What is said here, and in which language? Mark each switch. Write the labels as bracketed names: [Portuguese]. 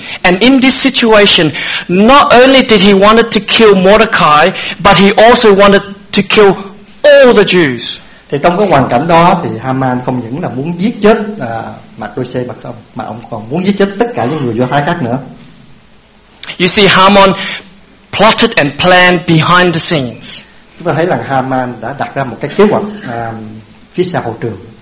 [English] And in this situation, not only did he wanted to kill Mordecai, but he also wanted to kill all the Jews. [Vietnamese] Thì trong cái hoàn cảnh đó thì Haman không những là muốn giết chết Mordecai mà ông còn muốn giết chết tất cả những người Do Thái khác nữa. [English] You see, Haman plotted and planned behind the scenes. [Vietnamese] Chúng ta thấy là Haman đã đặt ra một cái kế hoạch phía sau hậu trường.